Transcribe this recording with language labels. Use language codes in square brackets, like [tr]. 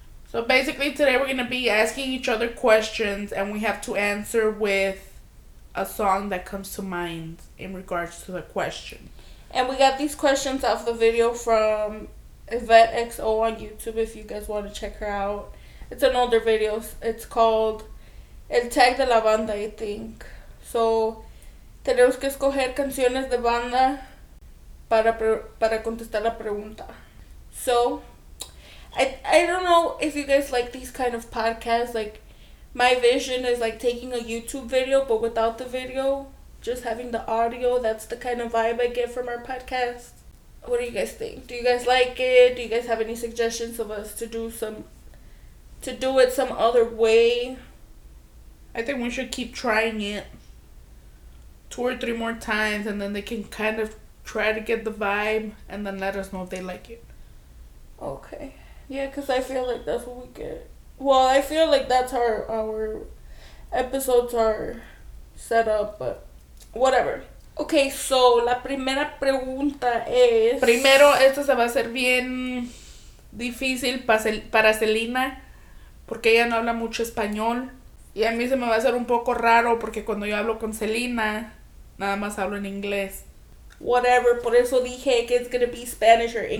[en] So basically, today we're going to be asking each other questions, and we have to answer with a song that comes to mind in regards to the question. And we got these questions off the video from Yvette XO on YouTube, if you guys want to check her out. It's an older video. It's called El Tag de la Banda, I think. [es] So, tenemos que escoger canciones de banda para contestar la pregunta. [en] So, I don't know if you guys like these kind of podcasts. Like, my vision is like taking a YouTube video, but without the video. Just having the audio. That's the kind of vibe I get from our podcast. What do you guys think? Do you guys like it? Do you guys have any suggestions of us to do it some other way? I think we should keep trying it 2 or 3 more times, and then they can kind of try to get the vibe and then let us know if they like it. Okay. Yeah, because I feel like that's what we get. Well, I feel like that's how our episodes are set up, but whatever. Okay, so [es] la primera pregunta es... Primero, esto se va a hacer bien difícil para Selena, porque ella no habla mucho español. Y a mí se me va a hacer un poco raro, porque cuando yo hablo con Selena, nada más hablo en inglés. [en] Whatever, [es] por eso dije que [en] it's gonna be Spanish or English.